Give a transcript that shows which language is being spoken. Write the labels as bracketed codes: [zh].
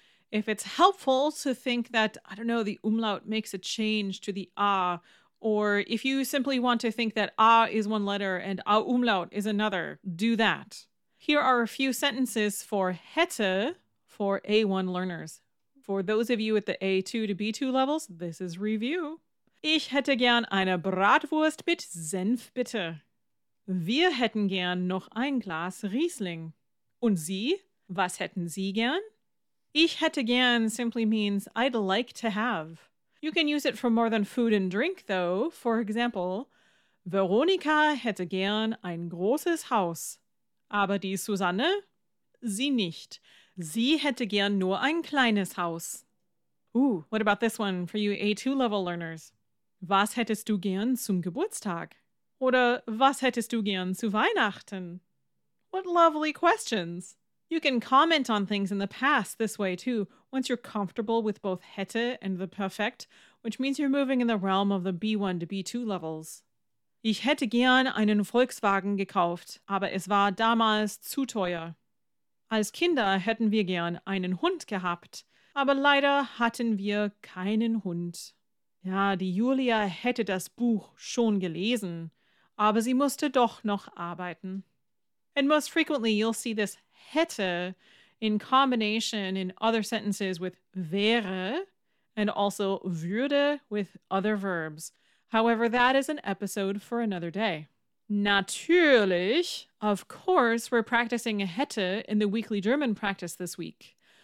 [en] If it's helpful to think that, I don't know, the umlaut makes a change to the A, or if you simply want to think that A is one letter and A umlaut is another, do that. Here are a few sentences for hätte for A1 learners. For those of you at the A2 to B2 levels, this is review. [de] Ich hätte gern eine Bratwurst mit Senf, bitte. Wir hätten gern noch ein Glas Riesling. Und Sie? Was hätten Sie gern? Ich hätte gern [en] simply means I'd like to have. You can use it for more than food and drink, though. For example, [de] Veronika hätte gern ein großes Haus. Aber die Susanne? Sie nicht. Sie hätte gern nur ein kleines Haus. [en] Ooh, what about this one for you A2 level learners? [de] Was hättest du gern zum Geburtstag? Oder was hättest du gern zu Weihnachten? [en] What lovely questions! You can comment on things in the past this way too, once you're comfortable with both hätte and the perfect, which means you're moving in the realm of the B1 to B2 levels. [de] Ich hätte gern einen Volkswagen gekauft, aber es war damals zu teuer. Als Kinder hätten wir gern einen Hund gehabt, aber leider hatten wir keinen Hund. Ja, die Julia hätte das Buch schon gelesen, aber sie musste doch noch arbeiten. [en] And most frequently you'll see this hätte in combination in other sentences with wäre and also würde with other verbs. However, that is an episode for another day. Natürlich, of course, we're practicing hätte in the weekly German practice this week.